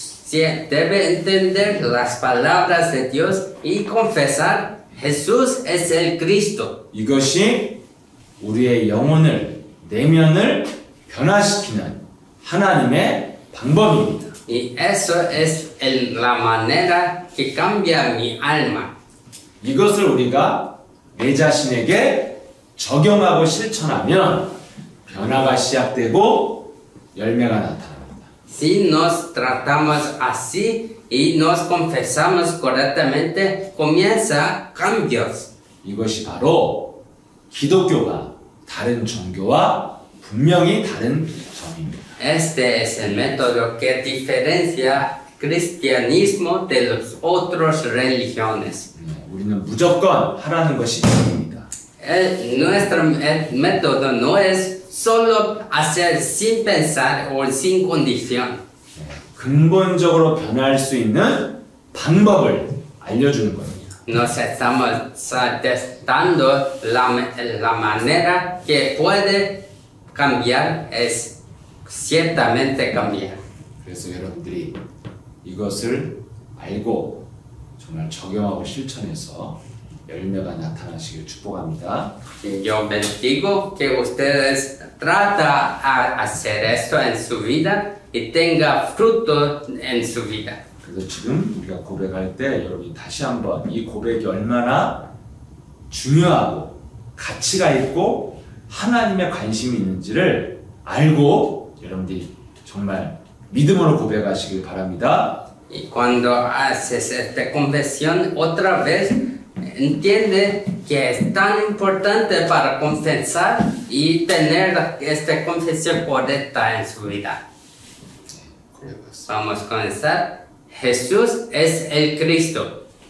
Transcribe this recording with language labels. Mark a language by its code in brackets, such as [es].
[es] Debe entender las palabras de Dios y confesar Jesús es el Cristo. [ko] 이것이 우리의 영혼을, 내면을 변화시키는 하나님의 방법입니다. [es] Y eso es la manera que cambia mi alma. [ko] 이것을 우리가 내 자신에게 적용하고 실천하면 변화가 시작되고 열매가 나타납니다. [es] Si nos tratamos así y nos confesamos correctamente, comienza cambios. [ko] 이것이 바로 기독교가 다른 종교와 분명히 다른 점입니다. [es] Este es el método que diferencia cristianismo de los otros religiones. [ko] 우리는 무조건 하라는 것이 아닙니다. [es] Nuestro método no es solo hacer sin pensar o sin condición. [ko] 근본적으로 변화할 수 있는 방법을 알려주는 겁니다. [es] Nos estamos testando la manera que puede cambiar es ciertamente cambiar. [ko] 그래서 여러분들이 이것을 알고 정말 적용하고 실천해서 열매가 나타나시길 축복합니다. [es] Yo bendigo que ustedes trata a hacer esto en su vida y tenga fruto en su vida. [ko] 그래서 지금 우리가 고백할 때 여러분 다시 한번 이 고백이 얼마나 중요하고 가치가 있고 하나님의 관심이 있는지를 알고 여러분들이 정말 믿음으로 고백하시길 바랍니다. [es] Y cuando haces esta confesión otra vez, entiende que es tan importante para confesar y tener esta confesión correcta en su vida. Vamos a comenzar. Jesús es el Cristo.